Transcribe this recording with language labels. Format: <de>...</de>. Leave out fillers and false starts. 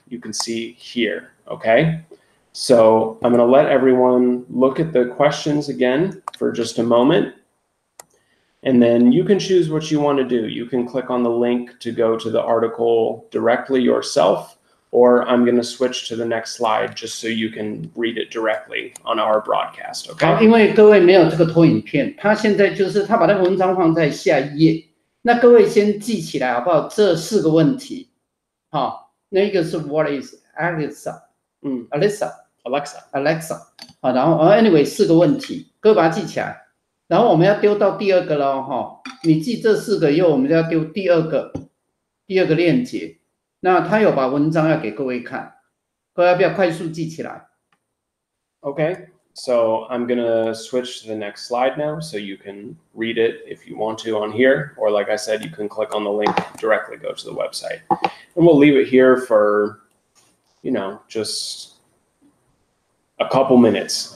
<en>You can see here, okay? So I'm gonna let everyone look at the questions again for just a moment. And then you can choose what you want to do. You can click on the link to go to the article directly yourself, or I'm going to switch to the next slide just so you can read it directly on our broadcast, okay?</en> <zh>因为各位没有这个投影片，他现在就是他把那个文章放在下一页。那各位先记起来好不好？这四个问题，好，那一个是</zh> <en>What is Alexa？嗯</en> <zh>，Alexa，Alexa， 好，然后anyway 四个问题，各位把它记起来。然后我们要丢到第二个了哈，你记这四个，又我们就要丢第二个链接。那他有把文章要给各位看，各位要不要快速记起来</zh> <en>？Okay, so I'm gonna switch to the next slide now, so you can read it if you want to on here, or like I said, you can click on the link directly go to the website, and we'll leave it here for, you know, just a couple minutes.</en>